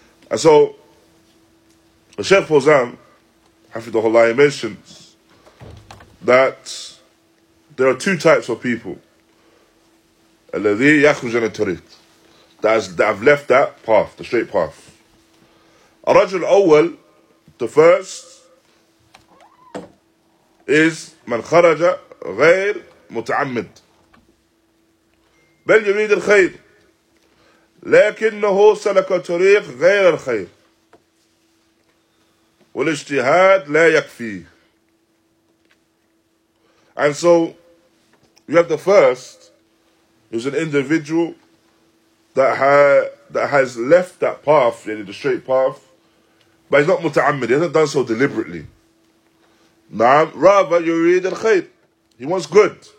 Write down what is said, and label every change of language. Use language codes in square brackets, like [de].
[en] And so, Sheikh Fawzan, Hafidhullah, mentions that there are two types of people. [ar] Alladhi yakhruj an at-tariq, [en] that have left that path, the straight path. [ar] Ar-rajul awwal, the first, is man kharaja ghayr متعمد بل يريد الخير لكنه سلك طريق غير الخير والاجتهاد لا يكفي. [en] And so you have the first is an individual that has left that path, the straight path, but he's not متعمد, he hasn't done so deliberately. نعم, rather [ar] يريد الخير, [en] he wants good.